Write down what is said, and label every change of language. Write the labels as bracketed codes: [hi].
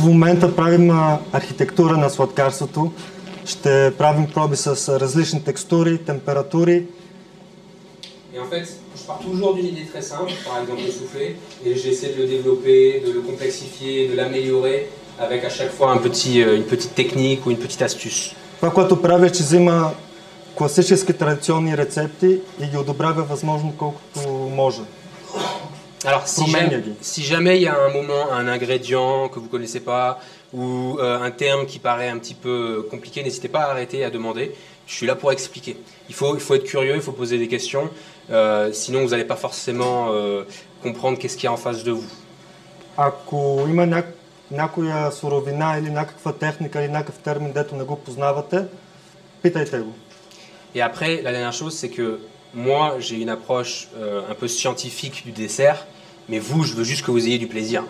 [bg] в момента правим архитектура на сладкарството. Ще правим проби с различни текстури, температури. [fr] Et en fait, je pars toujours d'une idée très simple, par exemple le soufflé, et j'essaie de le développer, de le complexifier, de l'améliorer avec à chaque fois une petite technique ou une petite astuce. [bg] Това, което правя, че взима класически традиционни рецепти и ги одобрява възможно колкото може. [fr] Alors, si jamais il y a un moment, un ingrédient que vous ne connaissez pas, ou un terme qui paraît un petit peu compliqué, n'hésitez pas à arrêter et à demander. Je suis là pour expliquer. Il faut être curieux, il faut poser des questions. Sinon, vous n'allez pas forcément comprendre qu'est-ce qu'il y a en face de vous. [bg] Ако има някоя суровина или някаква техника или някакъв термин, дето не го познавате, питайте го. [fr] Et après, la dernière chose, c'est que moi, j'ai une approche un peu scientifique du dessert, mais vous, je veux juste que vous ayez du plaisir.